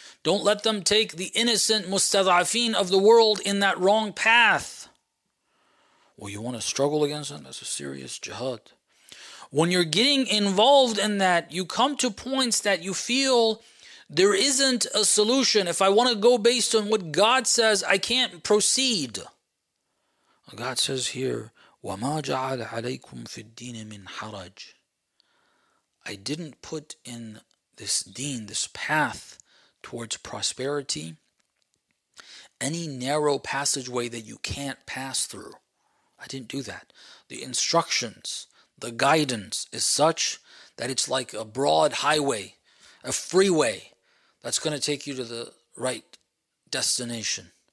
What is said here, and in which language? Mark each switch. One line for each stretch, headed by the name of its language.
English: Don't let them take the innocent mustadhafin of the world in that wrong path. Well, you want to struggle against them? That's a serious jihad. When you're getting involved in that, you come to points that you feel there isn't a solution. If I want to go based on what God says, I can't proceed. God says here,
Arabic: وَمَا جَعَلَ عَلَيْكُمْ فِي الدِّينِ مِنْ حَرَجٍ.
English: I didn't put in this deen, this path towards prosperity, any narrow passageway that you can't pass through. I didn't do that. The instructions, the guidance is such that it's like a broad highway, a freeway that's going to take you to the right destination.